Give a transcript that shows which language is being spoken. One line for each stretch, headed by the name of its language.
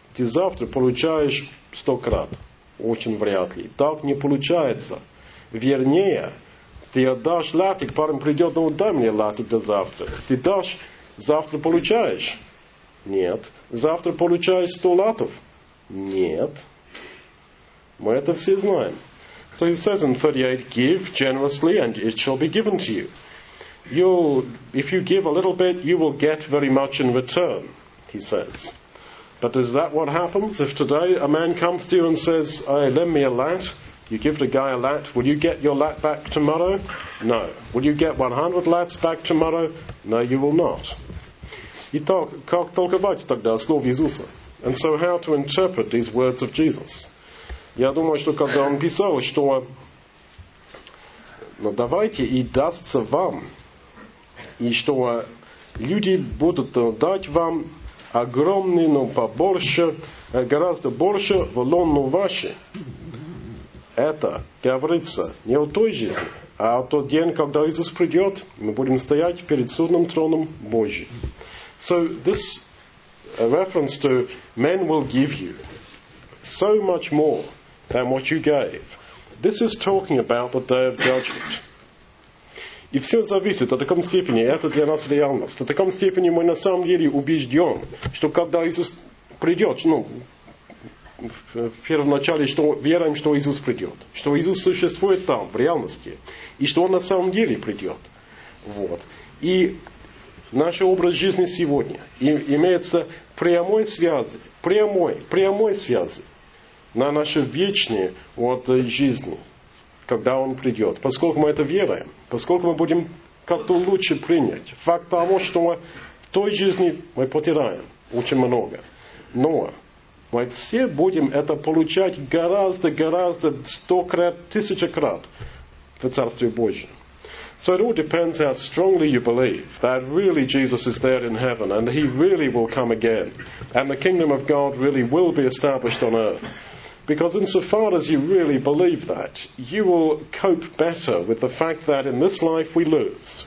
Russian: Ты завтра получаешь 100 раз. Очень вряд ли. Так не получается. Вернее, ты отдашь латик, парень придет, дай мне латик до завтра. Ты дашь, завтра получаешь? Нет. Завтра получаешь 100 латов? Нет. Мы это все знаем.
English: So he says in 38, give generously and it shall be given to you. If you give a little bit, you will get very much in return, he says. But is that what happens if today a man comes to you and says, hey, lend me a lat, you give the guy a lat, will you get your lat back tomorrow? No. Will you get 100 lats back tomorrow? No, you will not.
Russian: Итак, как толковать тогда слово Иисуса?
English: And so how to interpret these words of Jesus?
Russian: Я думаю, что когда он писал, что давайте и дастся вам, и что люди будут дать вам огромный, побольше, гораздо больше в лоно ваше. Это говорится не о той жизни, а о тот день, когда Иисус придет, мы будем стоять перед судным троном Божьим.
English: So this reference to men will give you so much more than what you gave. This is talking about the day of judgment.
Russian: И все зависит до такой степени, это для нас реальность. До такой степени мы на самом деле убежден, что когда Иисус придет, в первоначале, что верим, что Иисус придет, что Иисус существует там, в реальности, и что Он на самом деле придет. Вот. И наш образ жизни сегодня имеется прямой связи на наши вечные жизни. Когда он придет, поскольку мы это веруем, поскольку мы будем как-то лучше принять факт того, что мы в той жизни мы потеряем очень много, но мы все будем это получать гораздо 100 раз, 1000 раз в Царстве Божьем.
English: So it all depends how strongly you believe that really Jesus is there in heaven and he really will come again and the kingdom of God really will be established on earth. Because insofar as you really believe that, you will cope better with the fact that in this life we lose.